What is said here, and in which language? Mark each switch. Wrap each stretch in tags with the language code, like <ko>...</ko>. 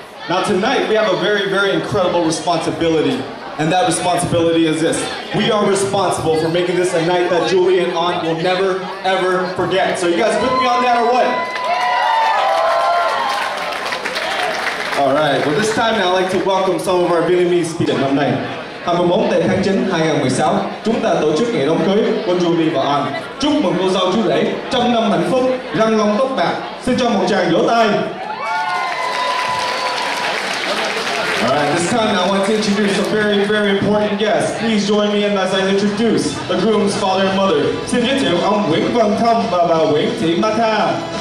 <en>Now tonight we have a very, very incredible responsibility. And that responsibility is this. We are responsible for making this a night that Julian Ahn will never, ever forget. So you guys with me on that or what? All right, well this time now I'd like to welcome some of our Vietnamese speakers.</en> <vi>Hôm nay, 21 tháng 9, 2016, chúng ta tổ chức ngày đám cưới của Julian và Ahn. Chúc mừng cô dâu chú rể, trăm năm hạnh phúc, răng long tóc bạc. Xin cho một tràng vỗ tay.</vi> <en>Alright, this time I want to introduce a very, very important guest. Please join me in as I introduce the groom's father and mother.</en> <vi>Xin giới thiệu ông Nguyễn Văn Thông và bà Nguyễn Thị Ma Tha.</vi>